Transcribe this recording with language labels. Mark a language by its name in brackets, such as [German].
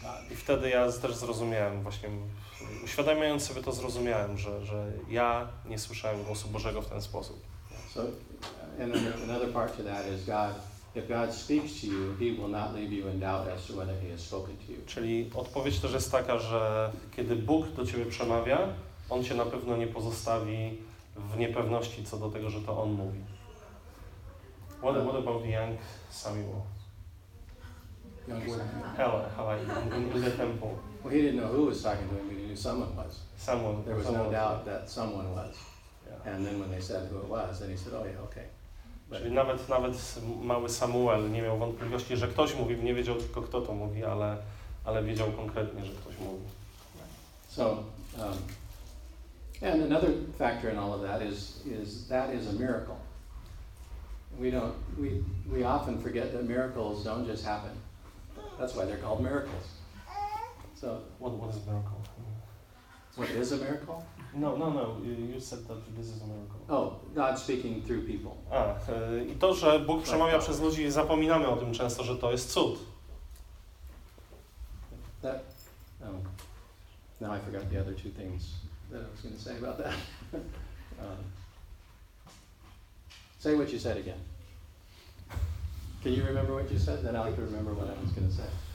[Polish] I wtedy ja też zrozumiałem, właśnie uświadamiając sobie to, zrozumiałem, że ja nie słyszałem głosu Bożego w ten sposób. [English] So, and then another part to that is God. If God speaks to you, He will not leave you in doubt as to whether He has spoken to you. [Polish] Czyli odpowiedź też jest taka, że kiedy Bóg do ciebie przemawia, On cię na pewno nie pozostawi w niepewności co do tego, że to On mówi. [English] What about the young Samuel? Young Hela, in the temple. Well, he didn't know who was talking to him, but he knew someone was. Someone. There was no doubt that someone was. Yeah. And then when they said who it was, then he said, oh yeah, okay. [Polish] But czyli nawet mały Samuel nie miał wątpliwości, że ktoś mówi, nie wiedział tylko kto to mówi, ale wiedział konkretnie, że ktoś mówi. [English] So, and another factor in all of that is a miracle. We often forget that miracles don't just happen. That's why they're called miracles. So what is a miracle? What is a miracle? No. You said that this is a miracle. Oh, God speaking through people. [Polish] I to, że Bóg przemawia przez ludzi, zapominamy o tym często, że to jest cud. [English] Now I forgot the other two things that I was going to say about that. Say what you said again. Can you remember what you said? Then I'll have to remember what I was going to say.